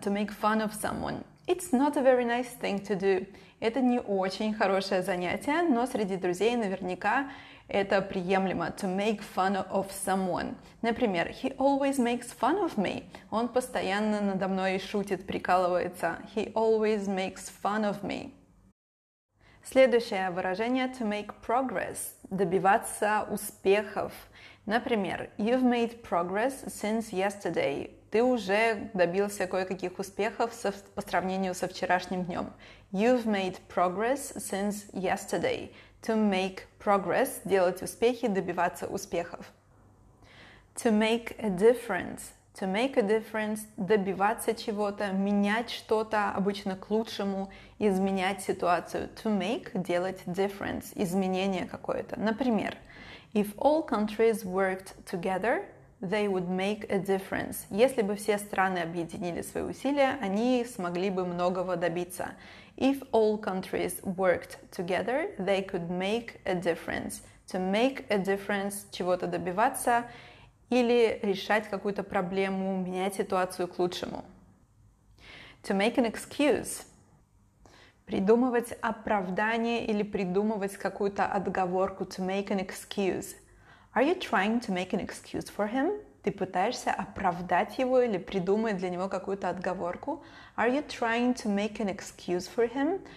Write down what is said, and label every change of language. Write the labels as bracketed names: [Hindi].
[English] To make fun of someone – it's not a very nice thing to do. [Russian] Это не очень хорошее занятие, но среди друзей наверняка это приемлемо. [English] To make fun of someone. Например, he always makes fun of me. [Russian] Он постоянно надо мной шутит, прикалывается. [English] He always makes fun of me. [Russian] Следующее выражение [English] to make progress. [Russian] Добиваться успехов. [English] Например, you've made progress since yesterday. [Russian] Ты уже добился кое-каких успехов по сравнению со вчерашним днем. [English] You've made progress since yesterday. To make progress – [Russian] делать успехи, добиваться успехов. [English] To make a difference. [Russian] To make a difference – добиваться чего-то, менять что-то, обычно к лучшему, изменять ситуацию. [English] To make [Russian] – делать difference – изменение какое-то. [English] Например, if all countries worked together – they would make a difference. [Russian] Если бы все страны объединили свои усилия, они смогли бы многого добиться. [English] If all countries worked together, they could make a difference. To make a difference [Russian] – чего-то добиваться или решать какую-то проблему, менять ситуацию к лучшему. [English] To make an excuse [Russian] – придумывать оправдание или придумывать какую-то отговорку. [English] To make an excuse – are you trying to make an excuse for him? [Russian] Ты пытаешься оправдать его или придумать для него какую-то отговорку? [English] Are you trying to make an excuse for him?